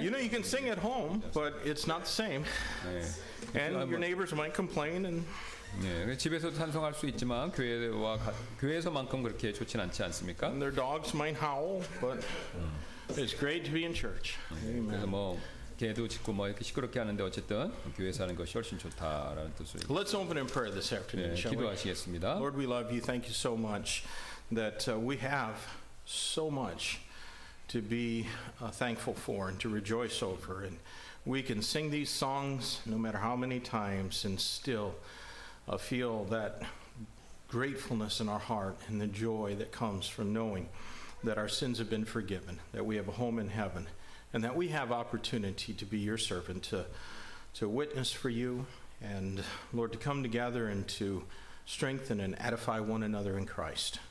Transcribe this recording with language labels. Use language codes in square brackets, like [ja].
[en] You know, you can sing at home, but it's not the same. And your neighbors might complain. And [ko] 네, 집에서 찬송할 수 있지만 교회와 교회에서만큼 그렇게 좋진 않지 않습니까? [en] And their dogs might howl, but it's great to be in church. [ko] 그래서 뭐 개도 짖고 뭐 이렇게 시끄럽게 하는데 어쨌든 교회에서 하는 것이 훨씬 좋다라는 뜻을. [en] Let's open in prayer this afternoon, shall we? [ko] 기도하시겠습니다. [en] Lord, we love you. Thank you so much that we have so much to be thankful for and to rejoice over. And we can sing these songs no matter how many times and still feel that gratefulness in our heart and the joy that comes from knowing that our sins have been forgiven, that we have a home in heaven, and that we have opportunity to be your servant, to witness for you, and Lord, to come together and to strengthen and edify one another in Christ.